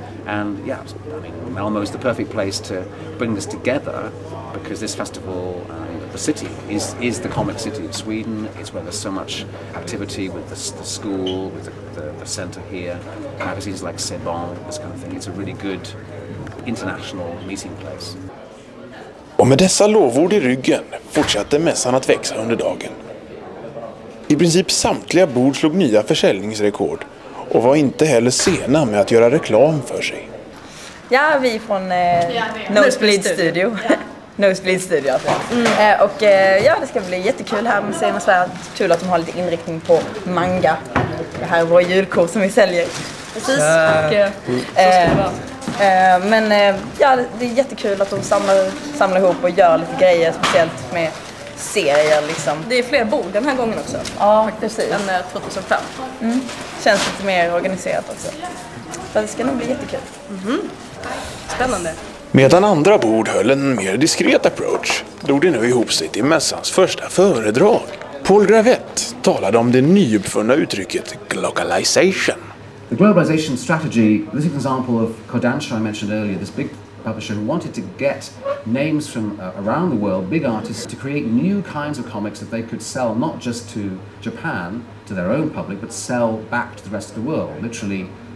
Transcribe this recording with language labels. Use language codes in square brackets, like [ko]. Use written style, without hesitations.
[en] And yeah, I mean, Malmo is the perfect place to bring this together, because this festival, the city, is the comic city of Sweden. It's where there's so much activity with the school, with the center here, magazines like C'est Bon, this kind of thing. It's a really good international meeting place. [sv] Och med dessa lovord i ryggen fortsatte mässan att växa under dagen. I princip samtliga bord slog nya försäljningsrekord och var inte heller sena med att göra reklam för sig. Ja, vi från Nosebleed Studio. Nosebleed Studio. Alltså. Och ja, det ska bli jättekul här med Scenen och Svärd. Kul att de har lite inriktning på manga. Det här är vår julkort som vi säljer. Precis. Så ska det vara. Men ja, det är jättekul att de samlar ihop och gör lite grejer, speciellt med serier liksom. Det är fler bord den här gången också. Ja, precis. Än 2005. Mm. Känns lite mer organiserat också. Så det ska nog bli jättekul. Mm-hmm. Spännande. Medan andra bord höll en mer diskret approach drog det nu ihop sig till mässans första föredrag. Paul Gravett talade om det nyuppfunna uttrycket globalization. [en] The globalization strategy, this is an example of Kodansha I mentioned earlier, this big publisher who wanted to get names from around the world, big artists, to create new kinds of comics that they could sell not just to Japan, to their own public, but sell back to the rest of the world, literally.